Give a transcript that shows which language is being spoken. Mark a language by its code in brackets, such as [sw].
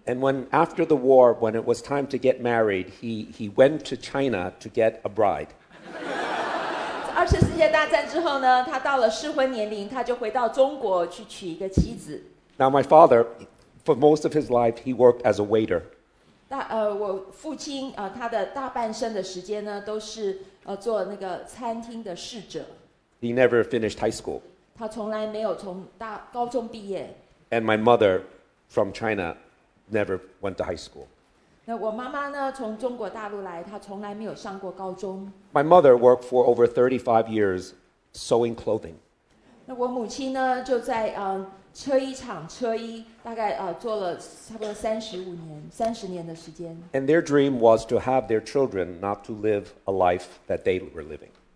[en] And when after the war, when it was time to get married, he went to China to get a bride. [zh] 二次世界大战之后呢，他到了适婚年龄，他就回到中国去娶一个妻子。 [en] Now my father, for most of his life, he worked as a waiter. [zh] 我父亲他的大半生的时间呢都是 做那个餐厅的侍者。 [en] He never finished high school. [zh] 他从来没有从高中毕业。 [en] And my mother from China never went to high school. [zh] 那我妈妈呢从中国大陆来，她从来没有上过高中。 [en] My mother worked for over 35 years sewing clothing. [zh] 那我母亲呢就在 车衣厂车衣，大概做了差不多35年、30年的时间。 [en] And their dream was to have their children not to live a life that they were living.